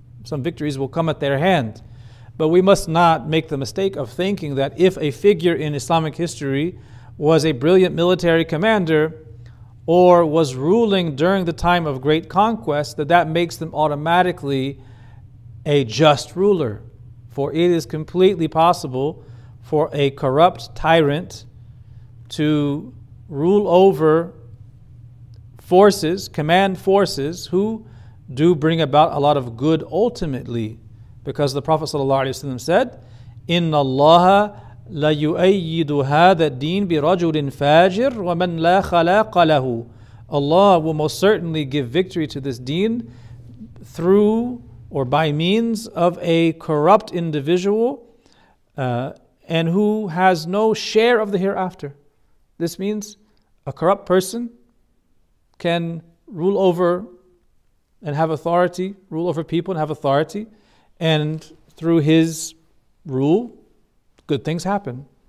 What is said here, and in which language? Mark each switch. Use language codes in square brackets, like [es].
[en] Some victories will come at their hand. But we must not make the mistake of thinking that if a figure in Islamic history was a brilliant military commander or was ruling during the time of great conquest, that that makes them automatically a just ruler. For it is completely possible for a corrupt tyrant to rule over forces, command forces, who do bring about a lot of good ultimately. Because the Prophet sallallahu alaihi wasallam said, [ar] إِنَّ اللَّهَ لَيُؤَيِّدُ هَذَا الدِّينَ بِرَجُلٍ فَاجِرٍ وَمَنْ لَا خَلَاقَ لَهُ. [en] Allah will most certainly give victory to this deen through or by means of a corrupt individual and who has no share of the hereafter. This means a corrupt person can rule over and have authority, rule over people and have authority, and through his rule, good things happen.